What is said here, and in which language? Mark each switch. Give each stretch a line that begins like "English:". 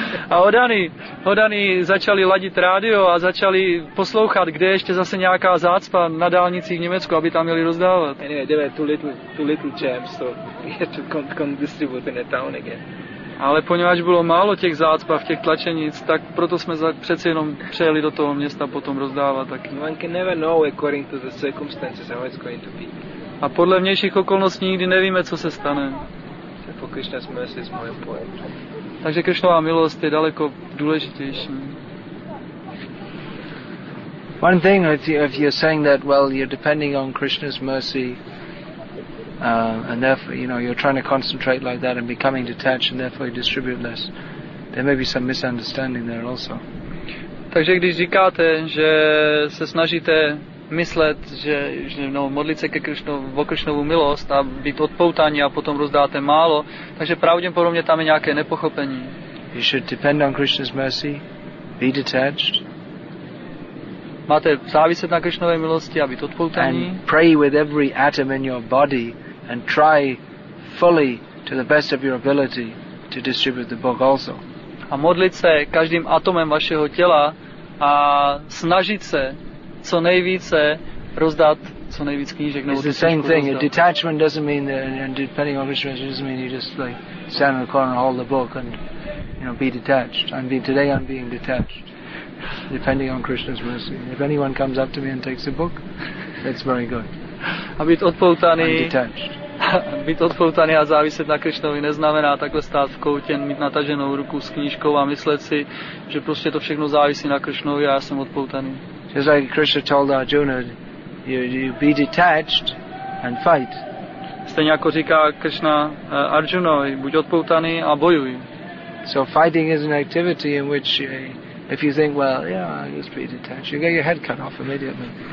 Czech: A odaný začali ladit rádio a začali poslouchat, kde ještě zase nějaká zácpa na dálnici v Německu, aby tam měli rozdávat.
English: Anyway, there were two little jams, so we had to come distribute in the town again.
Czech: Ale poněvadž bylo málo těch zácp a těch tlačenic, tak proto jsme přece jenom přejeli do toho města potom rozdávat taky.
English: One can never know according to the circumstances how it's going to be.
Czech: A podle vnějších okolností nikdy nevíme, co se stane.
English: For Krishna's mercy is more important.
Czech: Takže Krishnova milost je daleko důležitější.
English: One thing, if you're saying that, well, you're depending on Krishna's mercy, and therefore, you know, you're trying to concentrate like that and becoming detached, and therefore you distribute less, there may be some misunderstanding there also.
Czech: Takže když říkáte, že se snažíte myslet, že no, modlit se ke Krišnovu, o Krišnovu milost a být odpoutaní a potom rozdáte málo, takže pravděpodobně tam je nějaké nepochopení.
English: You should depend on Krishna's mercy, be detached.
Czech: Máte záviset na Krišnové milosti a být odpoutaní.
English: And pray with every atom in your body and try fully to the best of your ability to distribute the book also.
Czech: A modlit se každým atomem vašeho těla a snažit se co nejvíce rozdat co nejvíc knížek.
English: It's the same thing. A detachment doesn't mean that, and depending on which measure, doesn't mean you just like stand in the corner and hold the book and, you know, be detached. Today I'm being detached, depending on Krishna's mercy. If anyone comes up to me and takes a book, it's very good.
Czech: A být odpoutaný.
English: I'm detached.
Czech: Být odpoutaný a záviset na Krišnovi neznamená takhle stát v koutě, mít nataženou ruku s knížkou a myslet si, že prostě to všechno závisí na Krišnovi a já jsem odpoutaný.
English: Just like Krishna told Arjuna, you be detached and fight.
Czech: Stejně jako říká Krishna Arjunovi, buď odpoutaný a bojuj.
English: So fighting is an activity in which if you think, well, yeah, I'll just be detached, you get your head cut off immediately.